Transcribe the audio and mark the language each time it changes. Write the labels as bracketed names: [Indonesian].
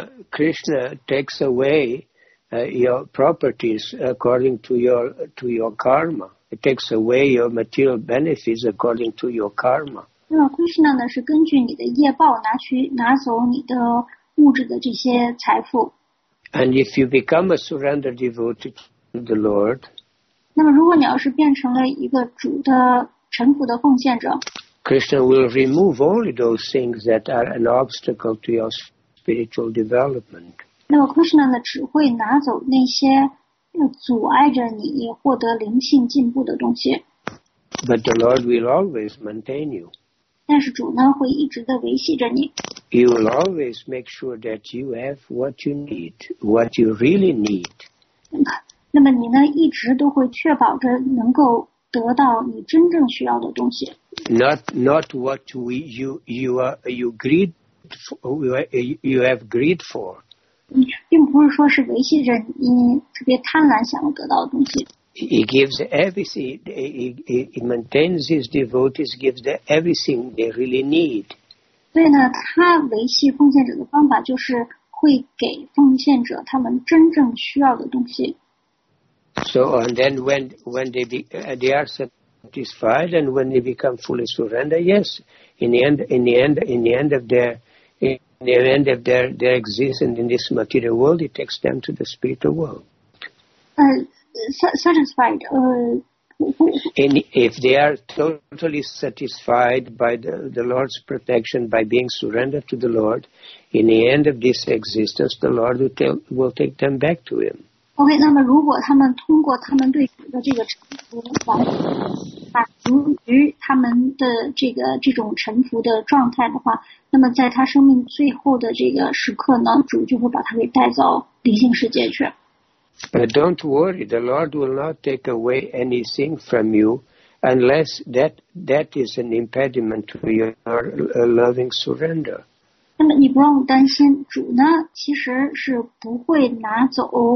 [English] Krishna takes away your properties according to your karma. It takes away your material benefits according to your karma. [Chinese] Krishna 呢是根据你的业报拿走你的物质的这些财富。 [English] And if you become a surrendered devotee to the Lord, [Chinese] 那么如果你要是变成了一个主的臣服的奉献者 [English] ，Krishna will remove all of those things that are an obstacle to your spiritual development. [Chinese] 那么 Krishna 呢只会拿走那些。阻碍着你获得灵性进步的东西。 [English] But the Lord will always maintain you. [Chinese] 但是主呢会一直的维系着你。 [English] He will always make sure that you have what you need, what you really need. [Chinese] 那么你呢一直都会确保着能够得到你真正需要的东西。 [English] Not what you have greed for. [Chinese] 并不是说是维系着你特别贪婪想要得到的东西。 [English] He gives everything. He maintains his devotees. Gives them everything they really need. [Chinese] 所以呢，他维系奉献者的方法就是会给奉献者他们真正需要的东西。 [English] So and then when they are satisfied and when they become fully surrendered, yes, in the end of their existence in this material world, it takes them to the spiritual world. Satisfied. And if they are totally satisfied by the Lord's protection by being surrendered to the Lord, in the end of this existence, the Lord will take them back to Him. [Chinese] Okay, 那么如果他们通过他们对主的这个臣服完满足于他们的这种臣服的状态的话，那么在他生命最后的这个时刻呢，主就会把他给带到灵性世界去。 [English] But don't worry, the Lord will not take away anything from you unless that is an impediment to your loving surrender. [Chinese] 那么你不用担心，主呢其实是不会拿走。